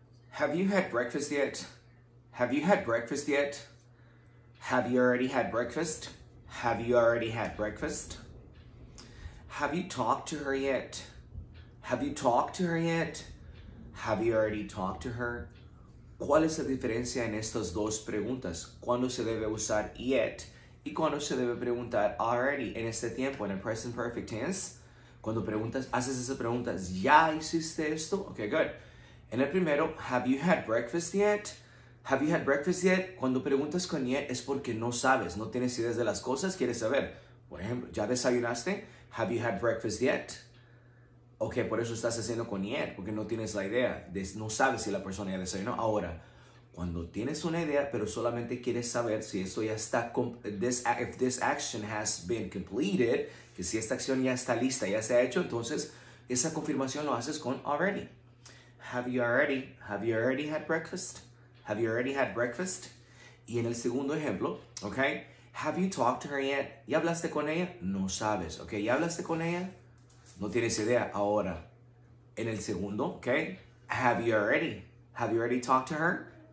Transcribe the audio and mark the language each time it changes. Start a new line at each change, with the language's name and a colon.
English: Have you had breakfast yet? Have you had breakfast yet? Have you already had breakfast? Have you already had breakfast? Have you talked to her yet? Have you talked to her yet? Have you already talked to her?
Spanish: ¿Cuál es la diferencia en estas dos preguntas? ¿Cuándo se debe usar yet y cuándo se debe preguntar already en este tiempo, en el present perfect tense? Cuando preguntas, haces esas preguntas, ¿ya hiciste esto?
English: Ok, good.
Spanish: En el primero,
English: have you had breakfast yet? Have you had breakfast yet?
Spanish: Cuando preguntas con yet es porque no sabes, no tienes ideas de las cosas, quieres saber. Por ejemplo, ¿ya desayunaste?
English: Have you had breakfast yet?
Spanish: Ok, por eso estás haciendo con yet, porque no tienes la idea, no sabes si la persona ya desayunó. Ahora, cuando tienes una idea, pero solamente quieres saber si esto ya está,
English: if this action has been completed,
Spanish: que si esta acción ya está lista, ya se ha hecho, entonces esa confirmación lo haces con already.
English: Have you already had breakfast? Have you already had breakfast?
Spanish: Y en el segundo ejemplo, ok,
English: have you talked to her yet?
Spanish: ¿Ya hablaste con ella? No sabes, ok, ¿ya hablaste con ella? No tienes idea. Ahora, en el segundo,
English: ok, have you already talked to her?